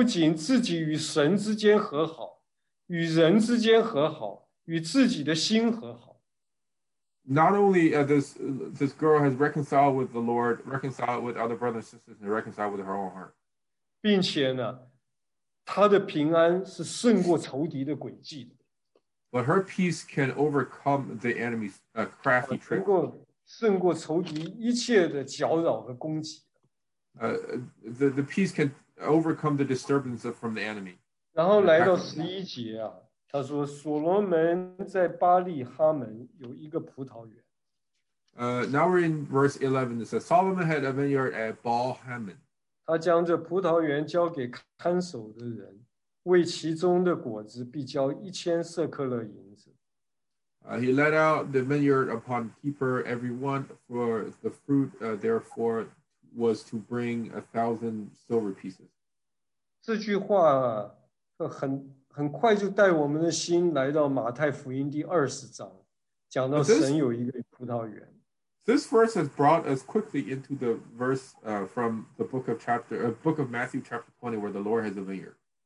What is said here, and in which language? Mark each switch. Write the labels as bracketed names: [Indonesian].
[Chinese] 他不仅自己与神之间和好, 与人之间和好, 与自己的心和好。 [English] Not only this girl has reconciled with the Lord, reconciled with other brothers and sisters, and reconciled with her own heart. [Chinese] 并且呢, 他的平安是胜过仇敌的诡计的。 [English] But her peace can overcome the enemy's crafty trick. [Chinese] 胜过仇敌一切的搅扰和攻击。 [English] The peace can overcome the disturbance from the enemy. [Chinese] 然后来到11节啊, 他说所罗门在巴利哈门有一个葡萄园。 [English] Now we're in verse 11. It says, Solomon had a vineyard at Baal-Hamon. [Chinese] 他将这葡萄园交给看守的人, 为其中的果子必交1000色克勒银子。 [English] He let out the vineyard upon keeper, everyone for the fruit, therefore, was to bring 1000 silver pieces. [Chinese] 这句话很快就带我们的心来到马太福音第20章, 讲到神有一个葡萄园。 [English] This verse has brought us quickly into the verse from the book of Matthew chapter 20, where the Lord has a vineyard.